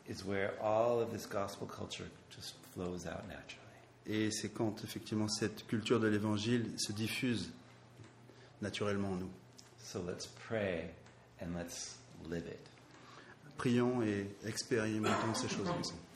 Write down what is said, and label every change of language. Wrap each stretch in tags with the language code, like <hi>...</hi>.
<en>Is where all of this gospel culture just flows out naturally.</en> <fr>Et c'est quand effectivement cette culture de l'évangile se diffuse naturellement en nous.</fr> <en>So let's pray and let's live it.</en> <fr>Prions et expérimentons ces choses ensemble.</fr>